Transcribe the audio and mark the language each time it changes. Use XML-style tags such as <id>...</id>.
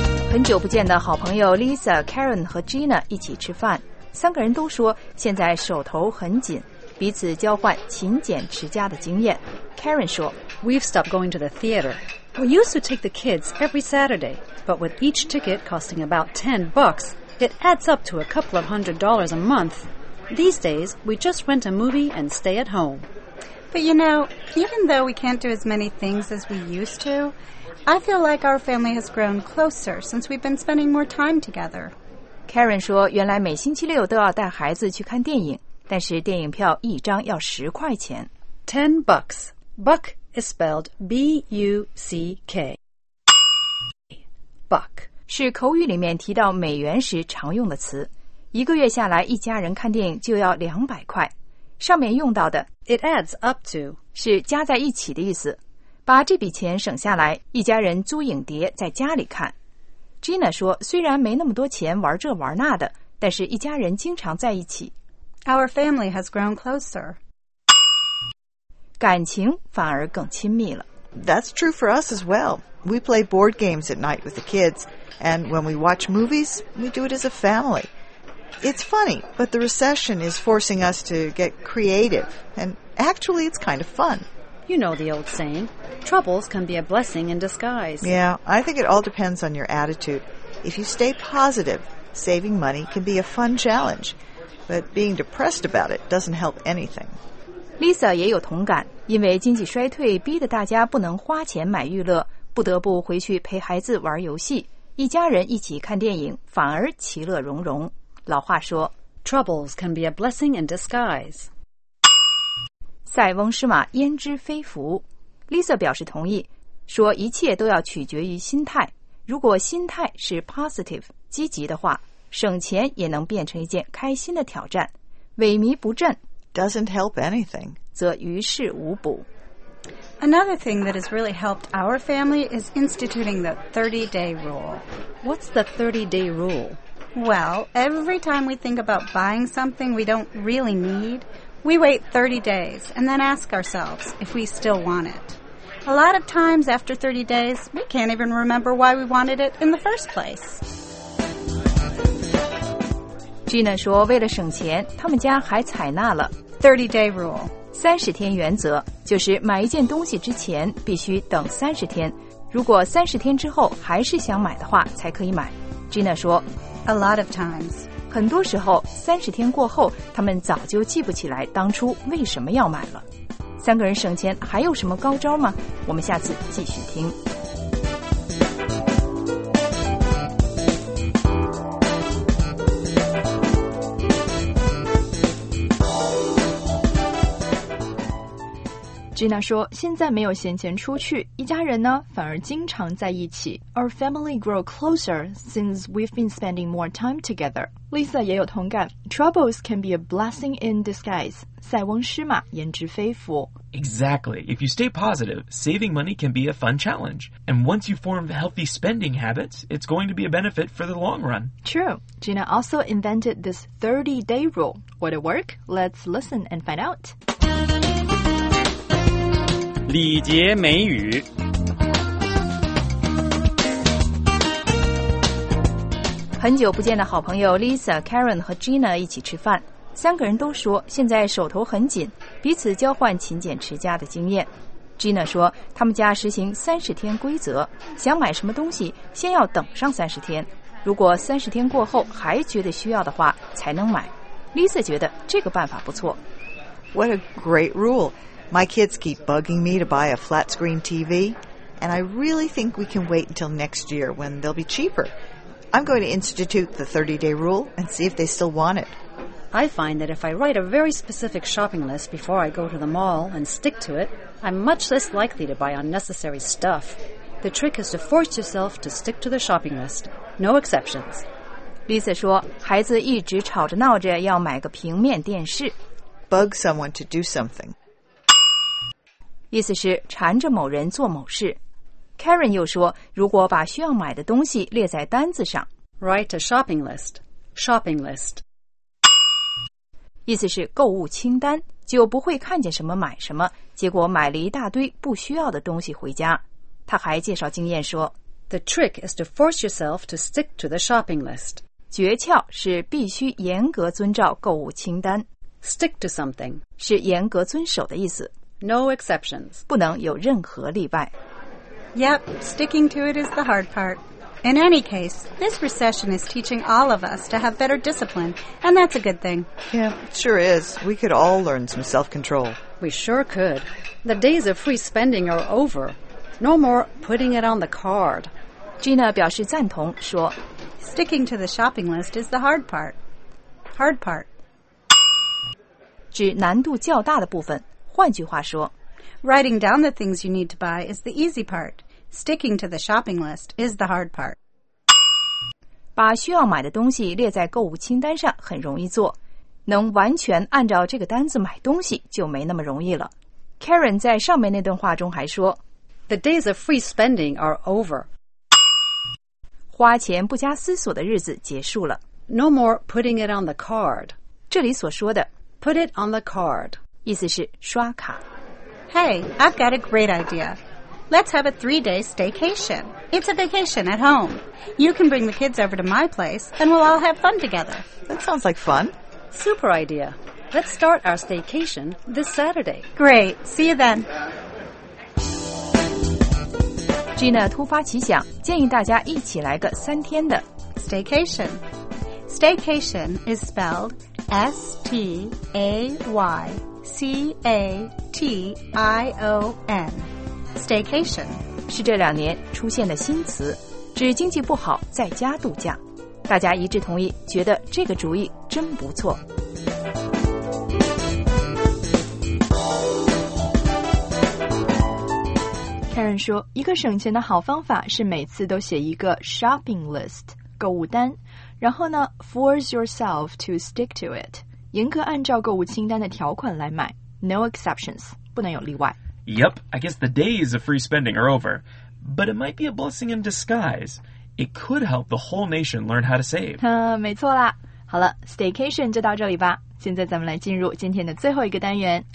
<zh>很久不见的好朋友 Lisa, Karen 和 Gina 一起吃饭。三个人都说现在手头很紧，彼此交换勤俭持家的经验。 Karen 说</zh> <en>We've stopped going to the theater. We used to take the kids every Saturday, but with each ticket costing about $10, it adds up to a couple of $100 a month. These days, we just rent a movie and stay at home. But you know, even though we can't do as many things as we used to, I feel like our family has grown closer since we've been spending more time together.</en> <zh>Karen 说原来每星期六都要带孩子去看电影，但是电影票一张要十块钱。</zh> <en>$10. Buck is spelled B-U-C-K. Buck</en> <zh>是口语里面提到美元时常用的词。一个月下来一家人看电影就要$200。上面用到的</zh> <en>It adds up to</en> <zh>是加在一起的意思。把这笔钱省下来，一家人租影碟在家里看。 Gina 说虽然没那么多钱玩这玩那的，但是一家人经常在一起。</zh> <en>Our family has grown closer.</en> <zh>感情反而更亲密了。</zh> <en>That's true for us as well. We play board games at night with the kids, and when we watch movies, we do it as a family. It's funny, but the recession is forcing us to get creative, and actually it's kind of fun. You know the old saying, troubles can be a blessing in disguise. Yeah, I think it all depends on your attitude. If you stay positive, saving money can be a fun challenge. But being depressed about it doesn't help anything.</en> <zh>Lisa 也有同感，因为经济衰退逼得大家不能花钱买娱乐，不得不回去陪孩子玩游戏，一家人一起看电影，反而其乐融融。老话说，</zh> <en>Troubles can be a blessing in disguise.</en> <zh>塞翁失马焉知非福。 Lisa 表示同意，说一切都要取决于心态，如果心态是 positive 积极的话，省钱也能变成一件开心的挑战。萎靡不振</zh> <en>doesn't help anything</en> <zh>则于事无补。</zh> <en>Another thing that has really helped our family is instituting the 30-day rule. What's the 30-day rule? Well, every time we think about buying something we don't really needWe wait 30 days and then ask ourselves if we still want it. A lot of times after 30 days, we can't even remember why we wanted it in the first place.</en> <zh>Gina 说为了省钱，他们家还采纳了</zh> <en>30-day rule.</en> <zh>30天原则就是买一件东西之前必须等30天。如果30天之后还是想买的话才可以买。Gina 说</zh> <en>A lot of times.</en> <zh>很多时候30天过后他们早就记不起来当初为什么要买了。三个人省钱还有什么高招吗？我们下次继续听。 Gina 说现在没有闲钱出去，一家人呢反而经常在一起。</zh> <en>Our family grow closer since we've been spending more time together. Lisa</en> <zh>也有同感，</zh> <en>Troubles can be a blessing in disguise.</en> <zh>塞翁失马焉知非福。</zh> <en>Exactly. If you stay positive, saving money can be a fun challenge. And once you form healthy spending habits, it's going to be a benefit for the long run. True. Gina also invented this 30-day rule. Would it work? Let's listen and find out.</en> <zh>礼节美语。很久不见的好朋友 Lisa, Karen 和 Gina 一起吃饭。三个人都说现在手头很紧，彼此交换勤俭持家的经验。 Gina 说他们家实行30天规则，想买什么东西先要等上30天，如果30天过后还觉得需要的话才能买。 Lisa 觉得这个办法不错。</zh> <en>What a great rule. My kids keep bugging me to buy a flat screen TV, and I really think we can wait until next year when they'll be cheaper. I'm going to institute the 30-day rule and see if they still want it. I find that if I write a very specific shopping list before I go to the mall and stick to it, I'm much less likely to buy unnecessary stuff. The trick is to force yourself to stick to the shopping list. No exceptions.</en> <zh>Lisa 说孩子一直吵着闹着要买个平面电视。</zh> <en>Bug someone to do something.</en> <zh>意思是缠着某人做某事。Karen 又说如果把需要买的东西列在单子上。</zh> <en>Write a shopping list. Shopping list.</en> <zh>意思是购物清单，就不会看见什么买什么，结果买了一大堆不需要的东西回家。他还介绍经验说</zh> <en>The trick is to force yourself to stick to the shopping list.</en> <zh>诀窍是必须严格遵照购物清单。</zh> <en>Stick to something</en> <zh>是严格遵守的意思。</zh> <en>No exceptions.</en> <zh>不能有任何例外。</zh> <en>Yep, sticking to it is the hard part. In any case, this recession is teaching all of us to have better discipline, and that's a good thing. Yeah, it sure is. We could all learn some self-control. We sure could. The days of free spending are over. No more putting it on the card.</en> <zh>Gina 表示赞同，说</zh> <en>Sticking to the shopping list is the hard part. Hard part.</en> <zh>指难度较大的部分，换句话说</zh> <en>Writing down the things you need to buy is the easy part. Sticking to the shopping list is the hard part.</en> <zh>把需要买的东西列在购物清单上很容易做，能完全按照这个单子买东西就没那么容易了。 Karen 在上面那段话中还说</zh> <en>The days of free spending are over.</en> <zh>花钱不加思索的日子结束了。</zh> <en>No more putting it on the card.</en> <zh>这里所说的</zh> <en>Put it on the card.</en> <zh>意思是刷卡。</zh> <en>Hey, I've got a great idea. Let's have a 3-day staycation. It's a vacation at home. You can bring the kids over to my place, and we'll all have fun together. That sounds like fun. Super idea. Let's start our staycation this Saturday. Great. See you then.</en> <zh>Gina 突发奇想，建议大家一起来个3天的</zh> <en>staycation. Staycation is spelled S-T-A-Y-C-A-T-I-O-N. Staycation</en> <zh>是这两年出现的新词，指经济不好在家度假。大家一致同意，觉得这个主意真不错。 Karen 说，一个省钱的好方法是每次都写一个 shopping list 购物单，然后呢</zh> <en>force yourself to stick to it，</en> <zh>严格按照购物清单的条款来买 ，</zh> <en>no exceptions，</en> <zh>不能有例外。</zh> <en>Yep, I guess the days of free spending are over. But it might be a blessing in disguise. It could help the whole nation learn how to save.</en> <zh>没错啦。好了 ,staycation 就到这里吧。现在咱们来进入今天的最后一个单元。</zh>